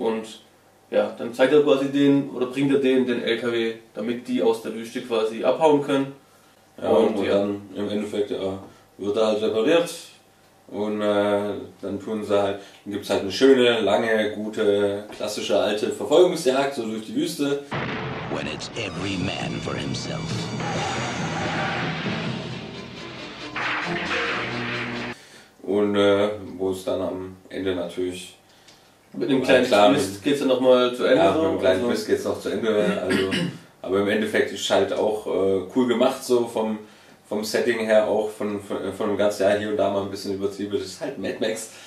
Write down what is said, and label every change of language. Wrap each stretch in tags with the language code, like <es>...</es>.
<de>Und ja, dann zeigt er quasi den, oder bringt er den LKW, damit die aus der Wüste quasi abhauen können. Ja, und dann im Endeffekt wird er halt repariert. Und dann tun sie halt, dann gibt es halt eine schöne, lange, gute, klassische alte Verfolgungsjagd, so durch die Wüste.</de> <en>When it's every man for himself.</en> <de>Und wo es dann am Ende natürlich mit einem kleinen Twist geht es dann nochmal zu Ende. Ja, mit einem kleinen Twist geht es noch zu Ende. Also, aber im Endeffekt ist halt auch cool gemacht, so vom Setting her auch, von dem ganzen Jahr hier und da mal ein bisschen übertrieben. Das ist halt Mad Max.</de>